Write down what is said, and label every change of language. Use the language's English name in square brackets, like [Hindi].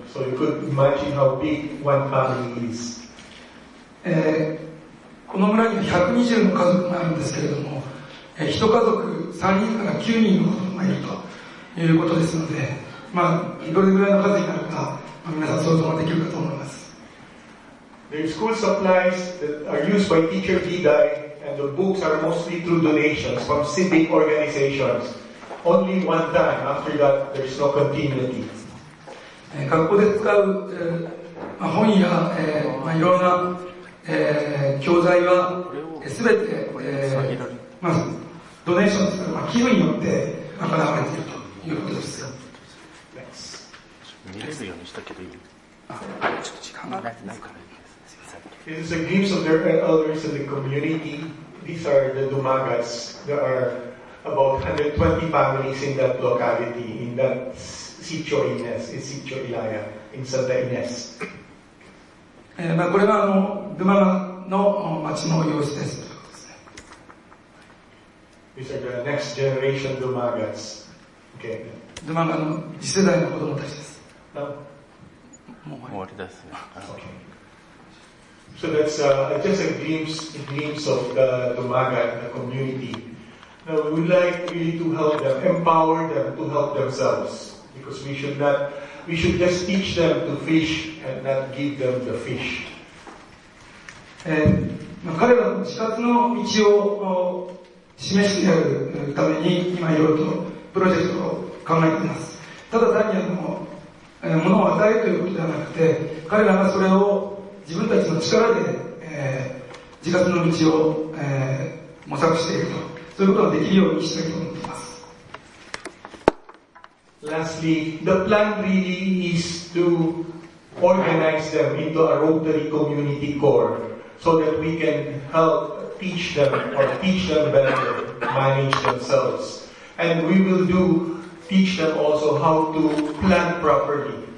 [English] So you could imagine how big one family is. [Japanese] この村には120の家族があるんですけれども、一家族3人から9人の子供がいるということですので、まあ、どれぐらいの数になるか、まあ、皆さん想像ができるかと思います。 [English] The school supplies that are used by Teacher Didai and the books are mostly through donations from civic organizations. Only one time, after that, there is no continuity. [Japanese] 学校で使う、本や、まあ、いろんな、教材は全て、まあ、ドネーションですから、まあ、寄付によって賄われているということです。見れるようにしたけどいい、ちょっと時間がないから。 [English] This is a glimpse of their elders in the community. These are the Dumagas. There are about 120 families in that locality, in thatSitio Ines, in Sitio Ilaya, in Santa Ines. [Japanese] まあ、これはあのグマラの町の様子です。 [English] These are the next generation Dumagas. Okay. [Japanese] Dumaga の次世代の子供たちです。もう終わりです。 [English] Okay. So that's just a glimpse of the Dumaga community. Now we would like really to help them, empower them to help themselves, because we should just teach them to fish and not give them the fish. [Japanese] まあ、彼らの自宅の道を示してやるために今いろいろとプロジェクトを考えています。ただ単にあの物を与えるということではなくて、彼らがそれを自分たちの力で、自活の道を、模索していると、そういうことができるようにしたいと思っています。 [English] Lastly, the plan really is to organize them into a Rotary Community Core so that we can helpteach them better, manage themselves. And we will teach them also how to plant properly.